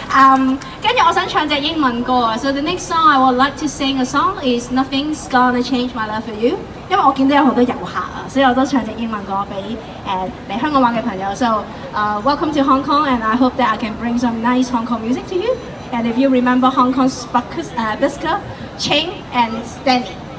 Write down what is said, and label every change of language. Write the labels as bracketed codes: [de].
[en] So the next song I would like to sing a song is Nothing's Gonna Change My Love For You. [yue] 因為我見到有很多遊客，所以我都唱一隻英文歌給來香港玩的朋友。 [en] So, welcome to Hong Kong, and I hope that I can bring some nice Hong Kong music to you. And if you remember Hong Kong's Buckus, Biscuit, Ching and Stanley.